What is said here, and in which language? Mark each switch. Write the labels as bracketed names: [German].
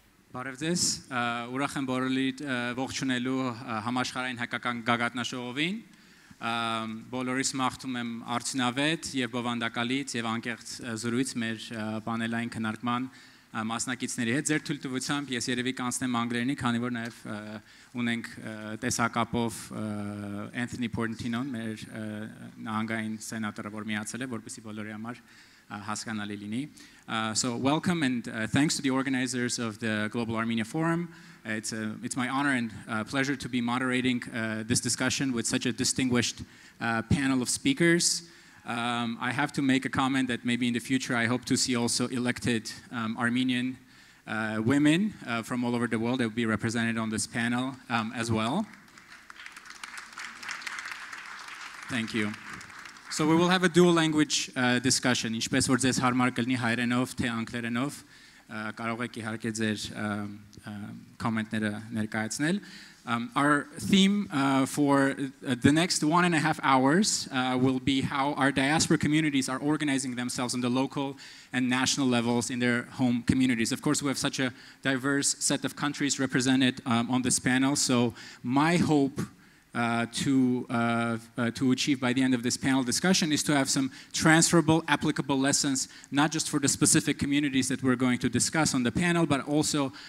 [Armenian] Բարևձեզ, ուրախ եմ բոլորի ողջունելու համաշխարհային հայկական գագաթնաժողովին։ Բոլորիս մաղթում եմ արդյունավետ եւ բովանդակալից եւ անկեղծ զրույց մեր պանելային քննարկման մասնակիցների հետ։ Ձեր թույլտվությամբ ես երևի կանցնեմ անգլերենի, քանի որ նաեւ ունենք տեսակապով Anthony Portantino-ն, մեր նահանգային սենատորը, որ միացել է, որպեսզի բոլորի համար հասկանալի լինի. [English] So welcome and thanks to the organizers of the Global Armenia Forum. It's my honor and pleasure to be moderating this discussion with such a distinguished panel of speakers. I have to make a comment that maybe in the future I hope to see also elected Armenian women from all over the world that will be represented on this panel as well. Thank you. So we will have a dual language discussion. [Armenian] Ինչպես որ ձեզ հարմար կլինի հայերենով թե անգլերենով, կարող եք իհարկե ձեր comment-ները ներկայացնել. [English] Our theme for the next 1.5 hours will be how our diaspora communities are organizing themselves on the local and national levels in their home communities. Of course, we have such a diverse set of countries represented on this panel, so my hope to achieve by the end of this panel discussion is to have some transferable, applicable lessons, not just for the specific communities that we're going to discuss on the panel, but also